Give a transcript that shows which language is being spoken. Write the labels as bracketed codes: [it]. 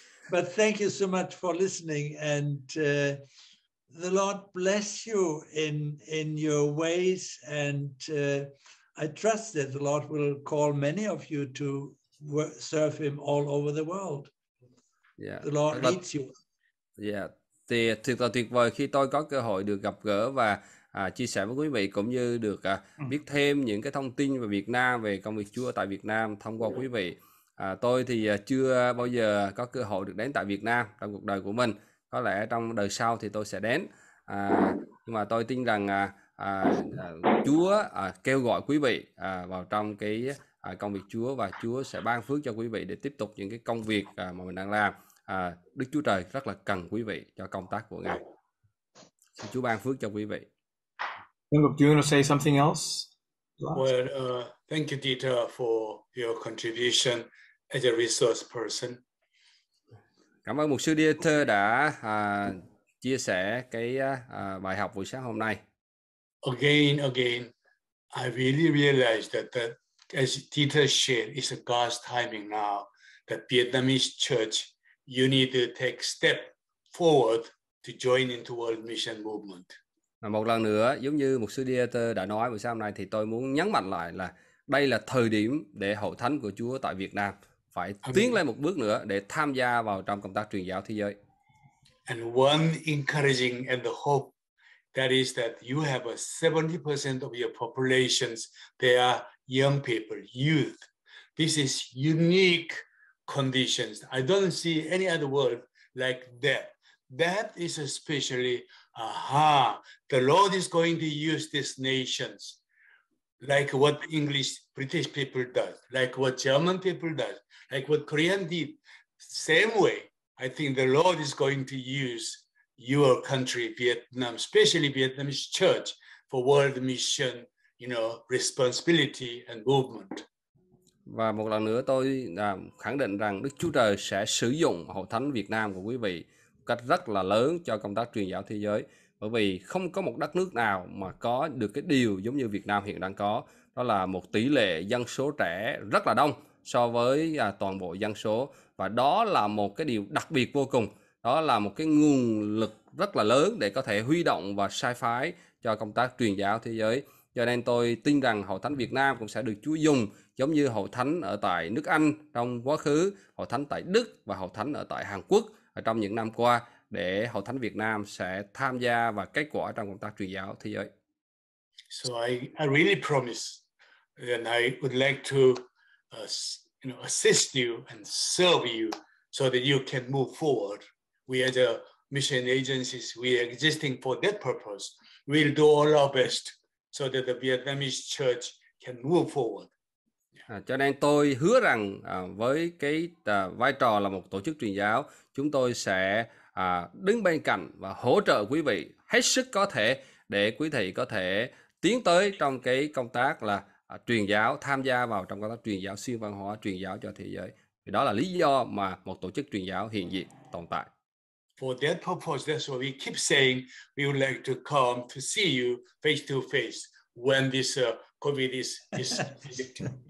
[en] But thank you so much for listening, and the Lord bless you in your ways, and I trust that the Lord will call many of you to serve him all over the world. Yeah. The Lord leads you. Yeah. [vi] Thật là tuyệt vời khi tôi có cơ hội được gặp gỡ và chia sẻ với quý vị, cũng như được biết thêm những cái thông tin về Việt Nam, về công việc Chúa tại Việt Nam thông qua quý vị. Tôi thì chưa bao giờ có cơ hội được đến tại Việt Nam trong cuộc đời của mình. Có lẽ trong đời sau thì tôi sẽ đến. Nhưng mà tôi tin rằng Chúa kêu gọi quý vị vào trong cái công việc Chúa, và Chúa sẽ ban phước cho quý vị để tiếp tục những cái công việc mà mình đang làm. Đức Chúa Trời rất là cần quý vị cho công tác của Ngài. Xin Chúa ban phước cho quý vị. [en] Do you want to say something else? Well, thank you, Dieter, for your contribution as a resource person. Cảm ơn Mục sư Dieter đã chia sẻ cái bài học buổi sáng hôm nay. Again, I really realized that as Dieter shared, it's a God's timing now. The Vietnamese church, you need to take step forward to join into World Mission Movement. [vi] Một lần nữa, giống như Mục sư Dieter đã nói buổi sáng hôm nay, thì tôi muốn nhấn mạnh lại là đây là thời điểm để hội thánh của Chúa tại Việt Nam phải tiến lên một bước nữa để tham gia vào trong công tác truyền giáo thế giới. [en] And one encouraging and the hope that is that you have a 70% of your populations, they are young people, youth. This is unique conditions. I don't see any other world like that. That is especially, aha, the Lord is going to use these nations like what English British people does, like what German people does, like what Korean did. Same way, I think the Lord is going to use your country, Vietnam, especially Vietnamese church, for world mission, you know, responsibility and movement. [vi] Và một lần nữa tôi khẳng định rằng Đức Chúa Trời sẽ sử dụng hội thánh Việt Nam của quý vị cách rất là lớn cho công tác truyền giáo thế giới, bởi vì không có một đất nước nào mà có được cái điều giống như Việt Nam hiện đang có, đó là một tỷ lệ dân số trẻ rất là đông so với toàn bộ dân số, và đó là một cái điều đặc biệt vô cùng, đó là một cái nguồn lực rất là lớn để có thể huy động và sai phái cho công tác truyền giáo thế giới. Cho nên tôi tin rằng hội thánh Việt Nam cũng sẽ được Chúa dùng giống như hội thánh ở tại nước Anh trong quá khứ, hội thánh tại Đức và hội thánh ở tại Hàn Quốc ở trong những năm qua, để Hội Thánh Việt Nam sẽ tham gia và kết quả trong công tác truyền giáo thế giới. [en] So I really promise and I would like to you know, assist you and serve you so that you can move forward. We as a mission agencies, we are existing for that purpose. We'll do all our best so that the Vietnamese church can move forward. [vi] Cho nên tôi hứa rằng với cái vai trò là một tổ chức truyền giáo, chúng tôi sẽ đứng bên cạnh và hỗ trợ quý vị hết sức có thể để quý thầy có thể tiến tới trong cái công tác là truyền giáo, tham gia vào trong công tác truyền giáo xuyên văn hóa, truyền giáo cho thế giới. Thì đó là lý do mà một tổ chức truyền giáo hiện diện tồn tại. [en] For that purpose, that's why we keep saying we would like to come to see you face to face when this COVID is lifted.